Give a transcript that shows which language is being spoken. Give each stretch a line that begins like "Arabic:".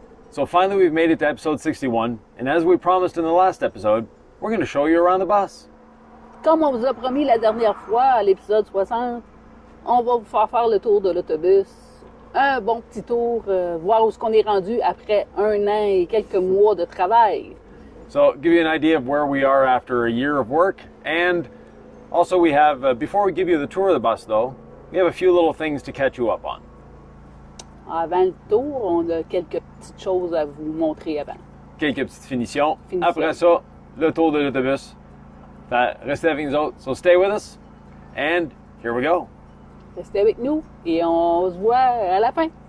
English: So finally we've made it to episode 61, and as we promised in the last episode, we're going to show you around the bus.
French: Comme on vous a promis la dernière fois à l'épisode 60, on va vous faire faire le tour de l'autobus. Un bon petit tour, voir où ce qu'on est rendu après un an et quelques mois de travail.
English: So, give you an idea of where we are after a year of work. And also we have, before we give you the tour of the bus though, we have a few little things to catch you up on.
French: Avant le tour, on a quelques petites choses à vous montrer avant. Quelques petites finitions. Après ça, le tour de l'autobus. Restez avec nous autres.
English: So stay with us. And here we go.
French: Restez avec nous et on se voit à la fin.